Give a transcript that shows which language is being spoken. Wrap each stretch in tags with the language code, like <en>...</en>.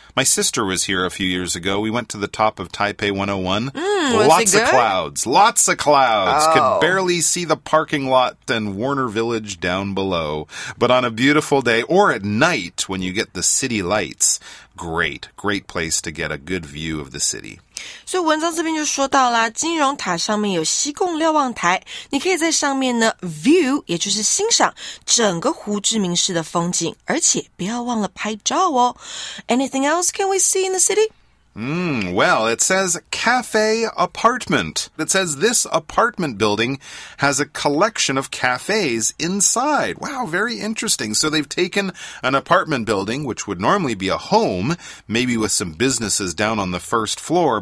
<en>My sister was here a few years ago. We went to the top of Taipei 101. Lots of clouds. Lots of clouds. Oh. Could barely see the parking lot and Warner Village down below. But on a beautiful day, or at night when you get the city lights, great. Great place to get a good view of the city.</en> <zh>所以文章这边就说到啦，金融塔上面有西贡瞭望台，你可以在上面呢 view， 也就是欣赏整个胡志明市的风景，而且不要忘了拍照哦。</zh> <en>Anything else can we see in the city? Well, it says cafe apartment. It says this apartment building has a collection of cafes inside. Wow, very interesting. So they've taken an apartment building, which would normally be a home, maybe with some businesses down on the first floor.</en>